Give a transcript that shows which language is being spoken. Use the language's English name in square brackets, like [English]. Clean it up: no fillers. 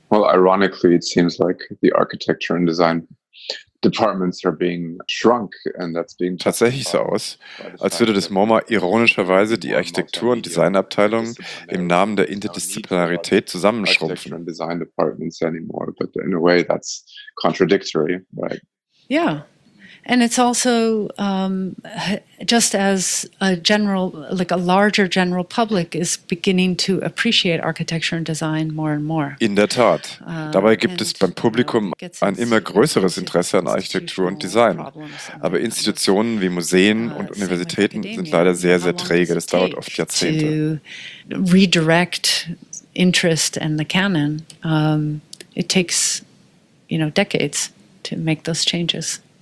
[English] Well, ironically, it seems like the architecture and design departments are being shrunk, and that's being [German] tatsächlich so aus, als würde das MoMA ironischerweise die Architektur- und Designabteilung im Namen der Interdisziplinarität zusammenschrumpfen. [English] And design departments anymore, but in a way that's contradictory, right? Yeah. And it's also just as a general, like a larger general public is beginning to appreciate architecture and design more and more. [German] In der Tat. Dabei gibt es beim Publikum ein immer größeres Interesse an Architektur und Design. Aber Institutionen wie Museen und Universitäten sind leider sehr, sehr träge. Das dauert oft Jahrzehnte. [English] To redirect interest and the canon, it takes, decades to make those changes.